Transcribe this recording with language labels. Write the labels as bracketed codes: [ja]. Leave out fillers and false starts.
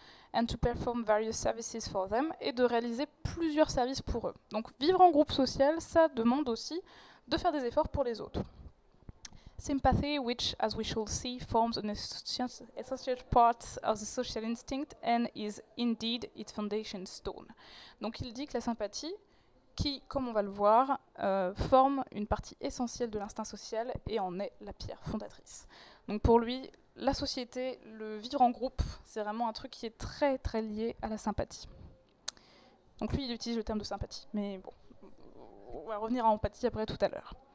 [en] « And to perform various services for them. [fr] » Et de réaliser plusieurs services pour eux. Donc, vivre en groupe social, ça demande aussi de faire des efforts pour les autres. [en] Sympathy, which, as we shall see, forms an essential part of the social instinct and is indeed its foundation stone. [fr] Donc il dit que la sympathie, qui, comme on va le voir, forme une partie essentielle de l'instinct social et en est la pierre fondatrice. Donc pour lui, la société, le vivre en groupe, c'est vraiment un truc qui est très très lié à la sympathie. Donc lui, il utilise le terme de sympathie, mais bon. On va revenir à empathie après tout à l'heure.